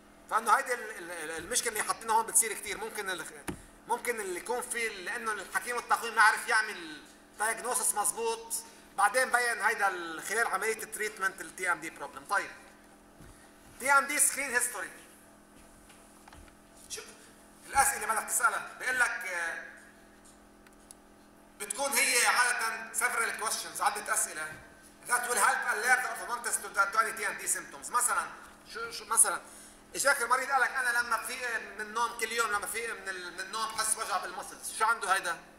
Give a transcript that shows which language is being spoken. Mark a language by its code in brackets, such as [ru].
[ar] فانه هيدي المشكله اللي حاطينها هون بتصير كثير، ممكن اللي يكون في لانه الحكيم التقويم ما عرف يعمل دايجنوستس مظبوط، بعدين بين هيدا خلال عمليه التريتمنت التي ام دي بروبلم. طيب تي ام دي سكرين هيستوري، شوف الاسئله اللي بدك تسالها. بيقول لك بتكون هي عاده [en] several questions, [ar] عده اسئله [en] that will help alert the orthodontist to any TND symptoms. [ar] مثلا شو مثلا اجاك المريض قال لك انا لما بفيق من النوم كل يوم، لما بفيق من النوم بحس وجع بالمسلز، شو عنده هيدا؟